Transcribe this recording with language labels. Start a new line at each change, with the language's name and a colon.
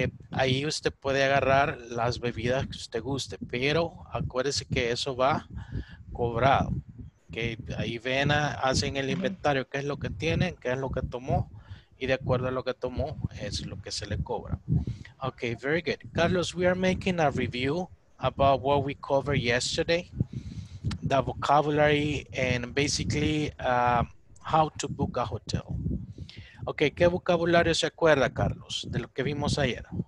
Spanish: Ahí usted puede agarrar las bebidas que usted guste, pero acuérdese que eso va cobrado. Que ahí ven, hacen el inventario, qué es lo que tienen, qué es lo que tomó, y de acuerdo a lo que tomó, es lo que se le cobra.
English: Okay, very good. Carlos, we are making a review about what we covered yesterday, the vocabulary, and basically how to book a hotel.
Spanish: Okay, ¿qué vocabulario se acuerda, Carlos, de lo que vimos ayer?